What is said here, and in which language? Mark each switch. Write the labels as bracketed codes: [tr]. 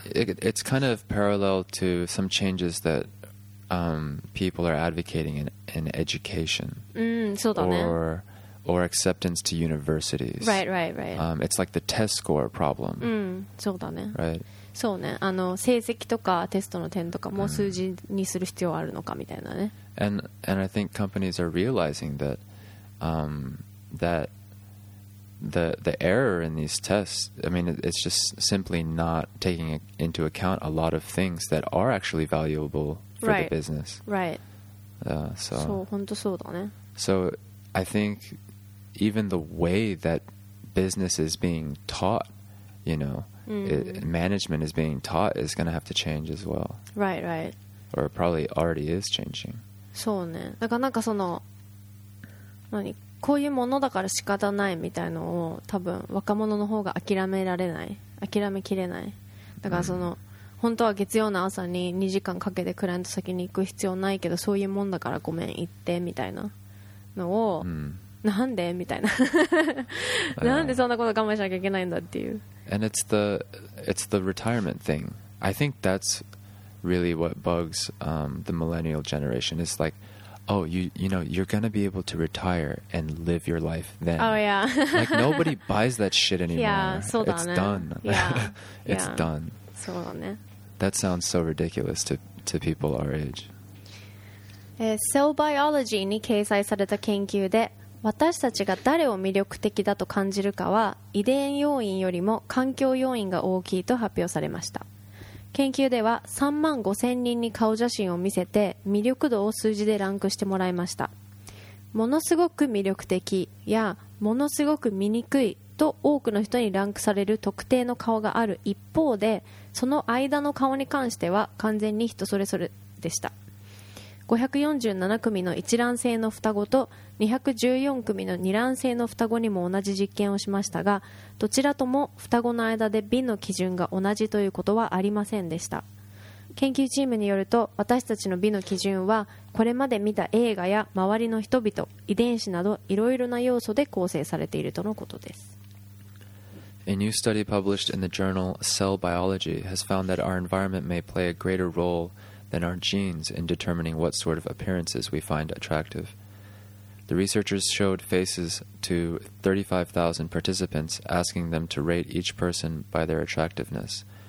[en] It's kind of parallel to some changes thatpeople are advocating in education or acceptance to universities. Right. It's like the test score problem. [ja] そうだね。 [en] Right. [ja] そうね。あの、成績とかテストの点とかも数字にする必要あるのかみたいなね。 [en] And I think companies are realizing that, that the error in these tests, I mean, it's just simply not taking into account a lot of things that are actually valuable. For right. the business. Right. So, [ja] 本当そうだね。 [en] So, I think even the way that business is being taught, you know, management is being taught is going to have to change as well. Right. Or probably already is changing. [ja] そうね。だからなんかその、何、こういうものだから仕方ないみたいのを多分若者の方が諦められない。諦めきれない。だからその、本当は月曜の朝に2時間かけてクライアント先に行く必要ないけど、そういうもんだからごめん行ってみたいなのを、なんでみたいな、なんでそんなこと我慢しなきゃいけないんだっていう。 [en] And it's the retirement thing. I think that's really what bugs the millennial generation. It's like, oh, you know, you're gonna be able to retire and live your life then. Oh yeah. Like nobody buys that shit anymore. Yeah, [ja] そうだね。 [en] It's done. Yeah. It's done. [ja] そうだね。 [en] That sounds so ridiculous to people our age. [ja] Cell Biology に掲載された研究で、私たちが誰を魅力的だと感じるかは遺伝要因よりも環境要因が大きいと発表されました。研究では3万5000人に顔写真を見せて魅力度を数字でランクしてもらいました。ものすごく魅力的やものすごく醜いと多くの人にランクされる特定の顔がある一方で、その間の顔に関しては完全に人それぞれでした。 547組の一卵性の双子と214組の二卵性の双子にも同じ実験をしましたが、どちらとも双子の間で美の基準が同じということはありませんでした。研究チームによると、私たちの美の基準はこれまで見た映画や周りの人々、遺伝子などいろいろな要素で構成されているとのことです。 [en] A new study published in the journal Cell Biology has found that our environment may play a greater role than our genes in determining what sort of appearances we find attractive. The researchers showed faces to 35,000 participants, asking them to rate each person by their attractiveness.